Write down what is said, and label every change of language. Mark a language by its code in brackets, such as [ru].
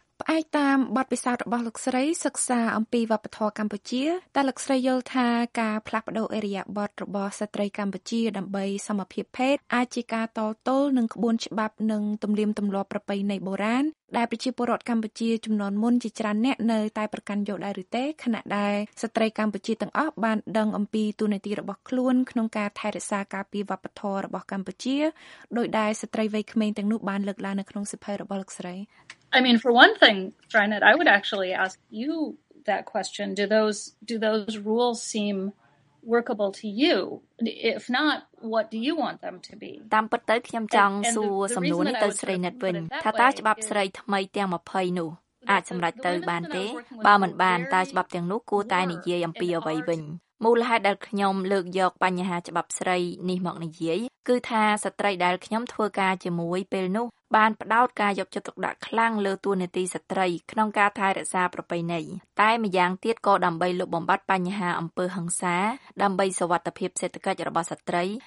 [km] ផ្អែកតាមបទពិសោធន៍របស់លោកស្រីសិក្សាអំពីវប្បធម៌កម្ពុជាតើលោកស្រីយល់ថាការផ្លាស់ប្ដូរអរិយាប័ត្ររបស់ស្ត្រីកម្ពុជាដើម្បីសមភាពភេទអាចជាការតទល់នឹងក្បួនច្បាប់និងទំនៀមទម្លាប់ប្រពៃណីបុរាណដែលប្រជាពលរដ្ឋកម្ពុជាចំនួនមុនជាច្រើនអ្នកនៅតែប្រកាន់យកដែរឬទេខណៈដែលស្ត្រីកម្ពុជាទាំងអស់បានដឹងអំពីទូនាទីរបស់ខ្លួនក្នុងការថែរក្សាការពារវប្បធម៌របស់កម្ពុជាដោយដែលស្ត្រីវ័យក្មេងទាំងនោះបានលើកឡើងនៅក្នុងសិភ័យរបស់លោកស្រី [en] I mean for one thing Trinette I would actually ask you that question do those rules seem workable to you if not what do you want them to be [km] តាមពិតទៅខ្ញុំចង់សួរសំណួរនេះទៅស្រីណិតវិញថាតើច្បាប់ស្រីថ្មីទាំង20នោះអាចសម្រេចទៅបានទេបើមិនបានតើច្បាប់ទាំងនោះគួរតែនិយាយអំពីអ្វីវិញមូលហេតុដែលខ្ញុំលើកយកបញ្ហាច្បាប់ស្រីនេះមកនិយាយគឺថាស្ត្រីដែលខ្ញុំធ្វើការជាមួយពេលនោះបានផ្ដោតការយកចិត្តទុកដាក់ខ្លាំងលើតួនាទីស្ត្រីក្នុងការថែរក្សាប្រពៃណីតែម្យ៉ាងទៀតក៏ដើម្បីលុបបំបាត់បញ្ហាអំពើហិង្សាដើម្បីសវត្ថភាពសេដ្ឋកិច្ចរបស់ស្ត្រី